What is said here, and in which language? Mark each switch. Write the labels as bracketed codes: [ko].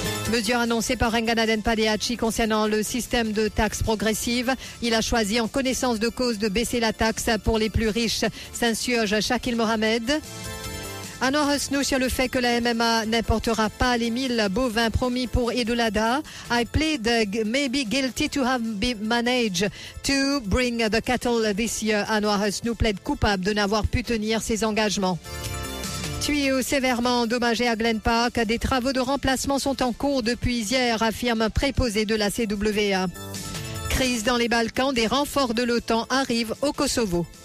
[fr] Mesure annoncée par Renganaden Padeachi concernant le système de taxes progressives. Il a choisi en connaissance de cause de baisser la taxe pour les plus riches, s'insurge Shakeel Mohamed. Anwar Hosnou sur le fait que la MMA n'importera pas les 1000 bovins promis pour Idulada. [en] I plead maybe guilty to have been managed to bring the cattle this year. [fr] Anwar Hosnou plaide coupable de n'avoir pu tenir ses engagements. Tuyau sévèrement endommagé à Glen Park. Des travaux de remplacement sont en cours depuis hier, affirme un préposé de la CWA. Crise dans les Balkans, des renforts de l'OTAN arrivent au Kosovo.